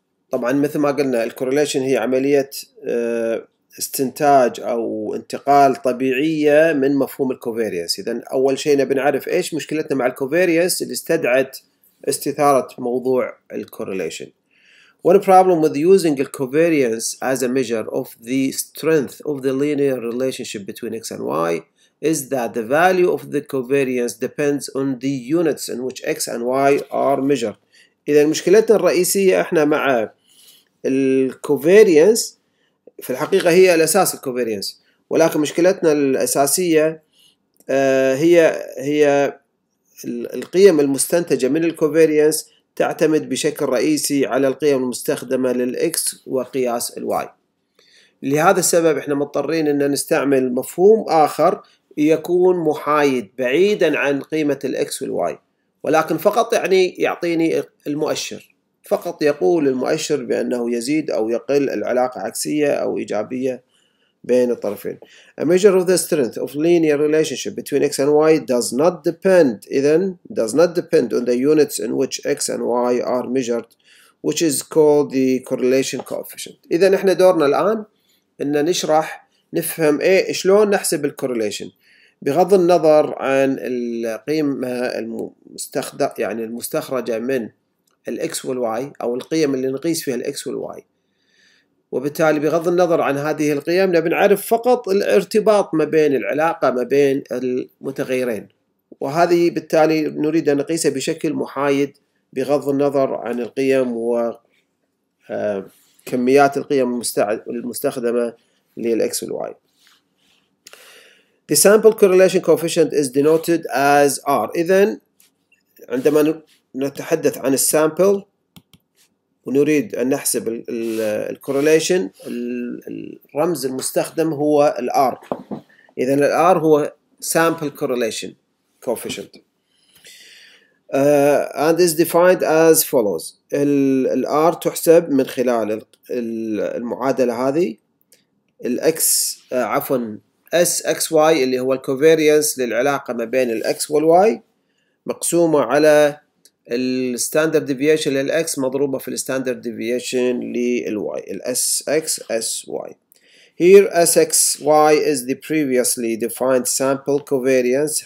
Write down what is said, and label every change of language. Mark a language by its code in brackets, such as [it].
[ar] طبعا مثل ما قلنا الكورليشن هي عملية استنتاج أو انتقال طبيعية من مفهوم الكوفيرينس. إذا أول شيء نبي نعرف إيش مشكلتنا مع الكوفيرينس اللي استدعت استثارة موضوع الكورليشن. [en] What problem with using the covariance as a measure of the strength of the linear relationship between x and y is that the value of the covariance depends on the units in which x and y are measured. [ar] إذا مشكلتنا الرئيسية إحنا مع الكوفيرينس، في الحقيقة هي الأساس الكوفيرينس، ولكن مشكلتنا الأساسية هي القيم المستنتجة من الكوفيرينس تعتمد بشكل رئيسي على القيم المستخدمة للإكس وقياس الواي. لهذا السبب احنا مضطرين ان نستعمل مفهوم اخر يكون محايد بعيدا عن قيمة الإكس والواي، ولكن فقط يعني يعطيني المؤشر، فقط يقول المؤشر بانه يزيد او يقل، العلاقة عكسية او ايجابية بين الطرفين. [en] A measure of the strength of linear relationship between x and y does not depend, [ar] إذن [en] does not depend on the units in which x and y are measured, which is called the correlation coefficient. [ar] إذن إحنا دورنا الآن إن نشرح نفهم إيه شلون نحسب الكورليشن بغض النظر عن القيمة المستخدمة، يعني المستخرجة من ال x وال y أو القيم اللي نقيس فيها ال x وال y. وبالتالي بغض النظر عن هذه القيم نبي نعرف فقط الارتباط ما بين العلاقة ما بين المتغيرين، وهذه بالتالي نريد أن نقيسها بشكل محايد بغض النظر عن القيم وكميات القيم المستخدمة للإكس والواي. [en] The sample correlation coefficient is denoted as R. [ar] إذن عندما نتحدث عن السامبل ونريد أن نحسب الكورليشن، الرمز المستخدم هو الـ R. إذن الـ R هو [en] sample correlation coefficient. And is defined as follows. [ar] الـ R تحسب من خلال المعادلة هذه. الـ X عفواً SXY اللي هو الـ covariance للعلاقة ما بين الـ X والـ Y مقسومة على الـ standard deviation للـ X مضروبة في الـ standard deviation للـ Y. الـ SX SY. [en] Here SXY is the previously defined sample covariance.